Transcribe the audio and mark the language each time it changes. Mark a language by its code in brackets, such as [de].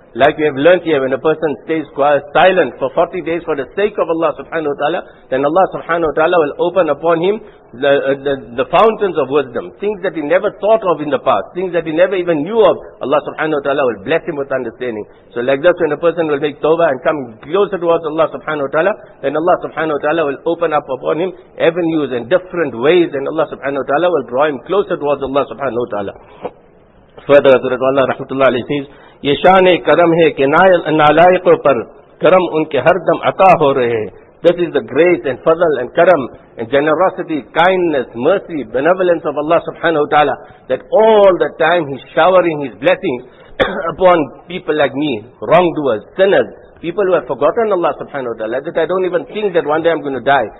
[en] Like we have learnt here, when a person stays quiet, silent for 40 days for the sake of Allah subhanahu wa ta'ala, then Allah subhanahu wa ta'ala will open upon him the fountains of wisdom, things that he never thought of in the past, things that he never even knew of. Allah subhanahu wa ta'ala will bless him with understanding. So like that, when a person will make tawbah and come closer towards Allah subhanahu wa ta'ala, then Allah subhanahu wa ta'ala will open up upon him avenues and different ways, and Allah subhanahu wa ta'ala will draw him closer towards Allah subhanahu wa ta'ala. Further, Hazrat Allah rahmatullah alayhi says, [ur] یہ شان کرم ہے کہ نالائقوں پر کرم ان کے ہر دم عطا ہو رہے ہیں. [en] This is the grace and fadl and karam and generosity, kindness, mercy, benevolence of Allah subhanahu wa ta'ala, that all the time He's showering His blessings upon people like me, wrongdoers, sinners, people who have forgotten Allah subhanahu wa ta'ala, that I don't even think that one day I'm going to die.